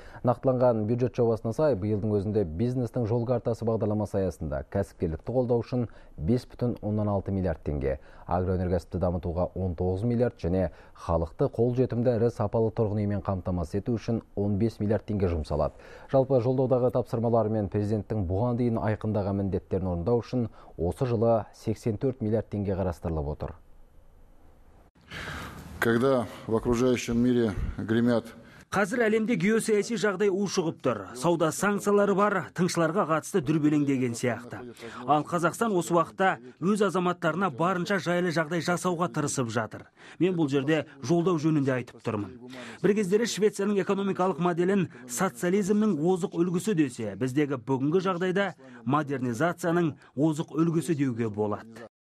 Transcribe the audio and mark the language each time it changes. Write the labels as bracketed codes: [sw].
[kk] Нақтыланған бюджет жобасына сай биылдың өзінде бизнестің жол картасы бағдарламасы аясында кәсіпкерлікті қолдау үшін 5,16 миллиард теңге, агроөнеркәсіпті дамытуға 19 миллиард және халықты қолжетімді ірі сапалы тұрғын үймен қамтамасыз ету үшін 15 миллиард теңге жұмсалады. Жалпы жолдаудағы тапсырмалар мен президенттің бұған дейін айқындаған міндеттерін орындау үшін осы жылы 84 миллиард теңге қарастырылып отыр. [ru] Когда в окружающем мире гремят. [kk] Қазір әлемде геосаяси жағдай ушығып тұр. Сауда санкциялары бар, тыңшыларға қатысты дүрбелең деген сияқты. Ал Қазақстан осы уақытта өз азаматтарына барынша жайлы жағдай жасауға тырысып жатыр. Мен бұл жерде жолдау жөнінде айтып тұрмын. Бір кездері Швецияның экономикалық моделін социализмнің озық үлгісі десе, біздегі бүгінгі жағдайда модернизацияның озық үлгісі деуге болады.